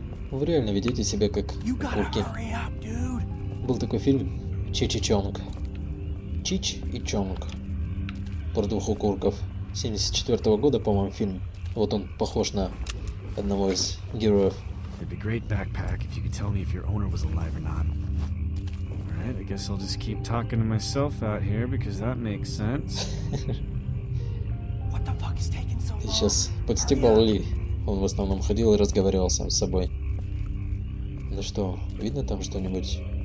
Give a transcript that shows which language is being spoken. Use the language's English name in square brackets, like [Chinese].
[Russian] Вы реально ведете себя как курки. Был такой фильм Чич и Чонг. Чич и Чонг. про двух укурков. 74-го года, по-моему, фильм. Вот он похож на одного из героев. [English] It'd be great backpack if you could tell me if your owner was alive or not. Alright, I guess I'll just keep talking to myself out here, because that makes sense. What the fuck is taking so long? [Russian] Ты сейчас подстебал Ли. Он в основном ходил и разговаривал сам с собой. Ну что, видно там что-нибудь?